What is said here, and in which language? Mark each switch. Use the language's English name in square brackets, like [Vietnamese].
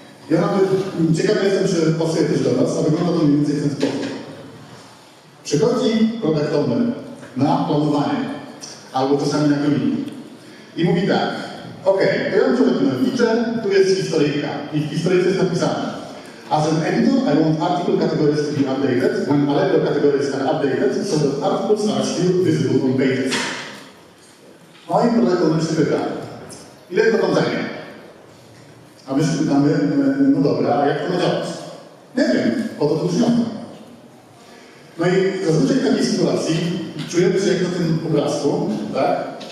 [Polish] Ja nawet ciekawy jestem, czy pasuje też do was, a wygląda to mniej więcej w ten sposób. Przychodzi product owner na planowanie, albo czasami na kolejny. I mówi tak, okej, okay, to ja muszę robić feature, tu jest historyjka i w historyjce jest napisane. [English] As an editor, I want article categories to be updated. When allegro categories are updated, so that articles are still visible on pages. [Polish] No i product owner się pyta, ile to tam zajmie? A my się pytamy, no dobra, a jak to ma działać? Nie wiem, po to wniosek. No i zazwyczaj w takiej sytuacji czujemy się jak na tym obrazku, tak?